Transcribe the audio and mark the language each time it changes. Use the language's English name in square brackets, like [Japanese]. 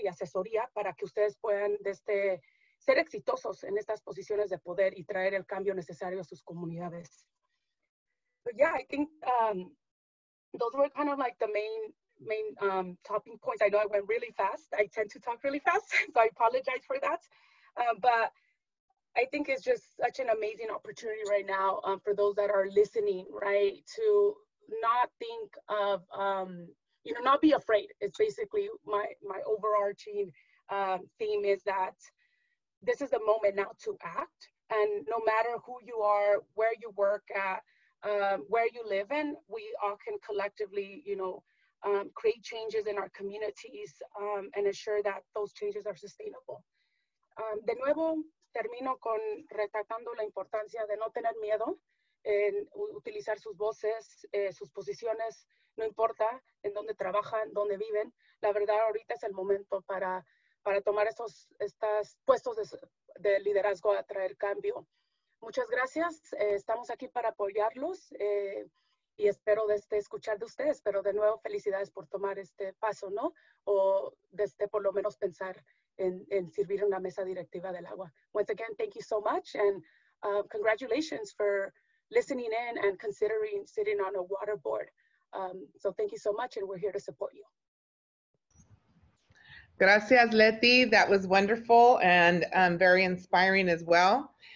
[Spanish] Y asesoría para que ustedes puedan ser exitosos en estas posiciones de poder y traer el cambio necesario a sus comunidades. [English] So, yeah, I think those were kind of like the main talking points. I know I went really fast. I tend to talk really fast, so I apologize for that. But I think it's just such an amazing opportunity right now for those that are listening, right, to not think of, not be afraid. It's basically my overarching theme is that this is the moment now to act. And no matter who you are, where you work at, where you live in, we all can collectively, you know, create changes in our communities and ensure that those changes are sustainable. [Spanish] De nuevo, termino con retratando la importancia de no tener miedo en utilizar sus voces, sus posiciones, no importa en dónde trabajan, dónde viven. La verdad, ahorita es el momento para tomar estos puestos de liderazgo a traer cambio. Muchas gracias. Estamos aquí para apoyarlos y espero escuchar de ustedes. Pero de nuevo, felicidades por tomar este paso, ¿no? O por lo menos pensar en servir en una mesa directiva del agua. [English] Once again, thank you so much and congratulations for listening in and considering sitting on a water board. So thank you so much and we're here to support you. [Spanish] Gracias, Leti. [English] That was wonderful and very inspiring as well.